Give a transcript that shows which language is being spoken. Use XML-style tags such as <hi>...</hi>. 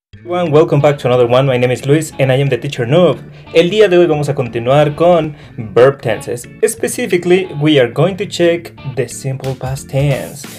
<en>Everyone, welcome back to another one. My name is Luis and I am the teacher noob.</en> <es>El día de hoy vamos a continuar con verb tenses.</es> <en>Specifically, we are going to check the simple past tense.</en>